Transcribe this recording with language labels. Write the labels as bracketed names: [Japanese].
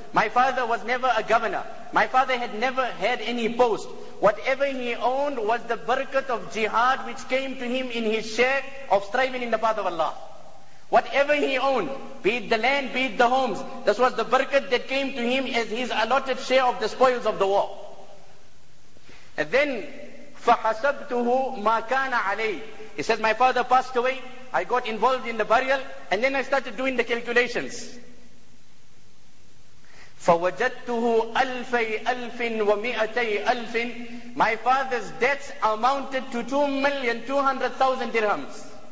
[English] My father was never a governor. My father had never had any post. Whatever he owned was the barakat of jihad which came to him in his share of striving in the path of Allah. Whatever he owned, be it the land, be it the homes, this was the barakat that came to him as his allotted share of the spoils of the war. And then, [Arabic] فَحَسَبْتُهُ مَا كَانَ عَلَيْهِ. [English] He says, my father passed away. I got involved in the burial and then I started doing the calculations. [Arabic] فَوَجَدْتُهُ أَلْفَيْ أَلْفٍ وَمِئَتَيْ أَلْفٍ. [English] My father's debts amounted to 2,200,000 dirhams.